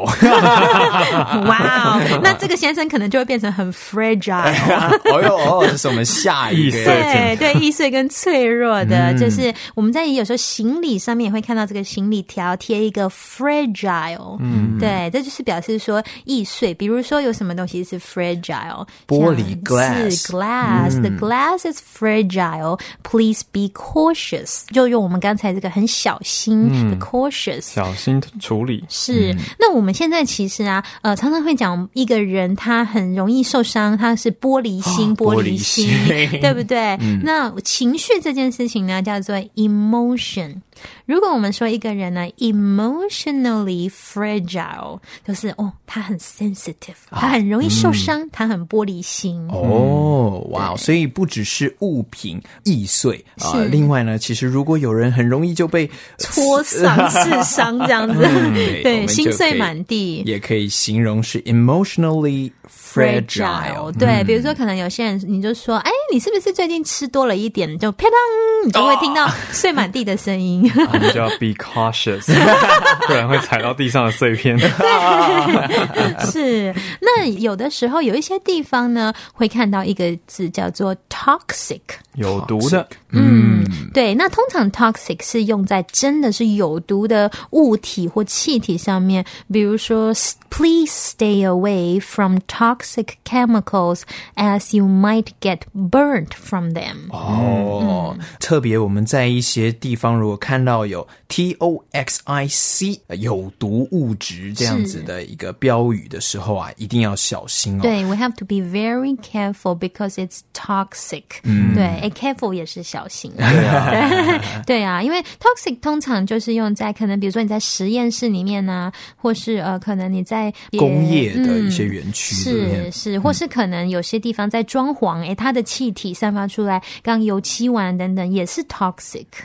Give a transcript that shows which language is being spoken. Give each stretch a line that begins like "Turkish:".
Chinese: 哇、wow, 那这个先生可能就会变成很 fragile 哦呦哦，这是我们下一个对对，易碎跟脆弱的、嗯、就是我们在有时候行李上面也会看到这个行李条贴一个 fragile、嗯、对，这就是表示说易碎，比如说有什么东西是 fragile，玻璃 glass 是 glass、嗯、
English: the glass is fragile please be cautious，
Chinese: 就用我们刚才这个很小心、嗯、
English: the cautious
Chinese: 小心处理，是、嗯、那我们现在其实啊常常会讲一个人他很容易受伤，他是玻璃心、哦、玻璃心对不对、嗯、那情绪这件事情呢叫做 emotion， 如果我们说一个人呢 emotionally fragile 就是哦，他很 sensitive、啊、他很容易受伤、嗯、他很玻璃心哦，哇，所以不只是物品易碎、另外呢其实如果有人很容易就被戳伤刺伤这样子、嗯、对，心碎满地也可以形容是 emotionally
English: fragile、嗯、
Chinese: 对，比如说可能有些人你就说哎，你是不是最近吃多了一点，就啪当你就会听到碎满地的声音、你就要
English: be cautious，
Chinese: 不然会踩到地上的碎片。是，那有的时候有一些地方呢，会看到一个字叫做 toxic，有毒的。对，那通常 toxic 是用在真的是有毒的物体或气体上面，比如说
English: please stay away from toxic chemicals as you might get burnt from them。
Chinese: 特别我们在一些地方如果看到有 toxic 有毒物质这样子的一个标语的时候啊，一定要小心哦。
English: 对， we have to be very careful because it's toxic。
Chinese: 对， careful 也是小心。对啊，因为 toxic 通常就是用在可能比如说你在实验室里面啊，或是可能你在工业的一些园区里面，是，或是可能有些地方在装潢，它的气体散发出来刚油漆完等等，也是 toxic。